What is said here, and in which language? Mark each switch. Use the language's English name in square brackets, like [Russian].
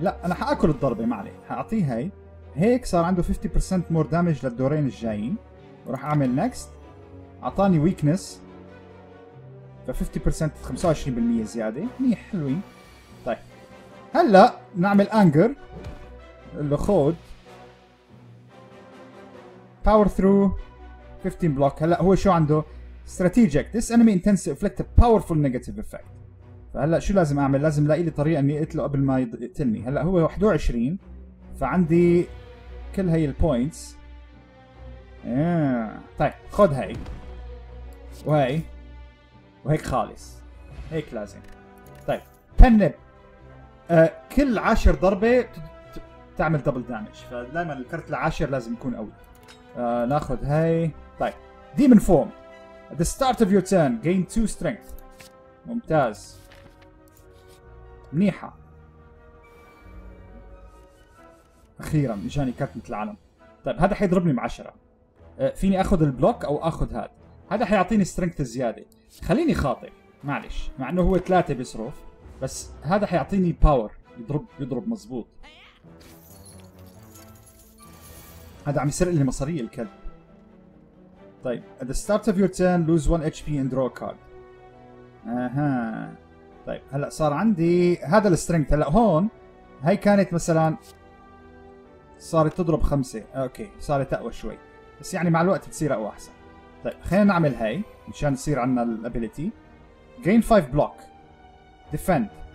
[Arabic] لا أنا حآكل الضربة ما عليه، حأعطيه هاي. هيك صار عنده 50% مور دامج للدورين الجايين، وراح أعمل نكست. أعطاني ويكنس، ف 50% 25% زيادة. منيح حلوين. طيب هلا نعمل انجر الاخود power through 15 block. هلا هو شو عنده [English] strategic, this enemy intends to inflict a powerful negative effect. [Arabic] فهلا شو لازم اعمل, لازم لاقي لي طريقة اني اقتله قبل ما يقتلني. هلا هو 21 فعندي كل هاي البوينتس. طيب خد هاي وهي وهيك خالص, هيك لازم. طيب بنب كل 10 ضربة تعمل دبل دامج, فدائما الكرت العاشر لازم يكون قوي. ناخذ هاي. طيب ديمون فورم [English] at the start of your turn gain 2 strength. [Arabic] ممتاز منيحة. اخيرا اجاني كرت مثل العالم. طيب هذا حيضربني بعشرة, فيني اخذ البلوك او اخذ هذا. هذا حيعطيني سترينث زيادة. خليني خاطئ معلش, مع انه هو 3 بيصرف بس هذا حيعطيني باور يضرب مزبوط. هذا عم يسرق لي مصاري الكلب. [English] طيب at the start of your turn lose 1 HP and draw a card. [Arabic] اها طيب هلا صار عندي هذا السترينث. هلا هون هاي كانت مثلا صارت تضرب 5. اوكي صارت اقوى شوي بس يعني مع الوقت تصير اقوى احسن. طيب خلينا نعمل هاي مشان يصير عندنا الابيليتي [English] gain 5 block defend.